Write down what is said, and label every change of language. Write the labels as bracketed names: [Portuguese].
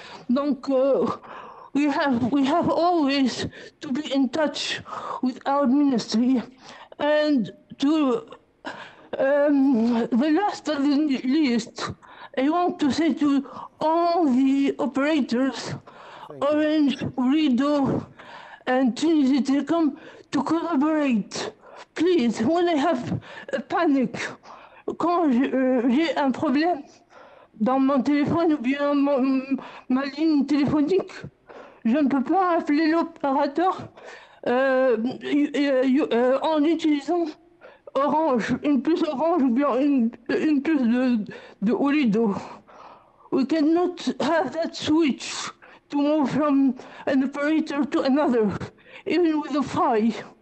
[English] Donc, we have always to be in touch with our ministry and to the last but the least, I want to say to all the operators, Orange, Rideau, and Tunisia Telecom, to collaborate. Please, when I have a panic, [French] quand j'ai un problème dans mon téléphone ou bien ma ligne téléphonique, je ne peux pas appeler l'opérateur en utilisant Orange, une puce Orange ou bien une puce de Orido. [English] We cannot have that switch to move from an operator to another, even with a fee.